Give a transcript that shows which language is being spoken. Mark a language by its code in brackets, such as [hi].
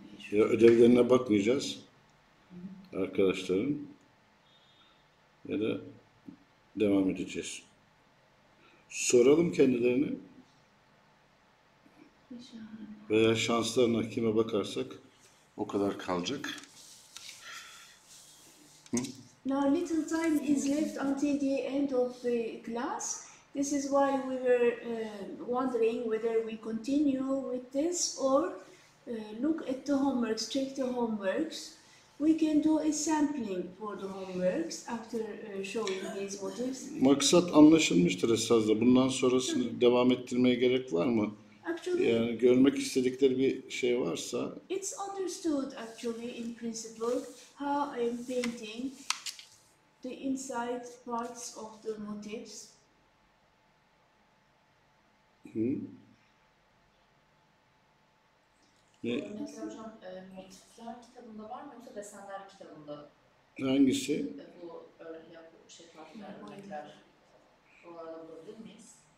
[tr] ya ödevlerine bakmayacağız arkadaşların ya da devam edeceğiz. Soralım kendilerine veya şanslarına kime bakarsak o kadar kalacak. [en] Now little time is left until the end of the class. This is why we were wondering whether we continue with this or look at the homeworks, check the homeworks. We can do a sampling for the homeworks after showing these motifs. [tr] Maksat anlaşılmıştır esasında. Bundan sonrasını devam ettirmeye gerek var mı? [en] Actually, [tr] yani görmek istedikleri bir şey varsa. [en] It's understood actually in principle how I'm painting the inside parts of the motifs. [tr] Hocam, motifler kitabında var mı yoksa desenler kitabında? Hangisi? Bu farklar, renkler. O arada bulabilir miyiz?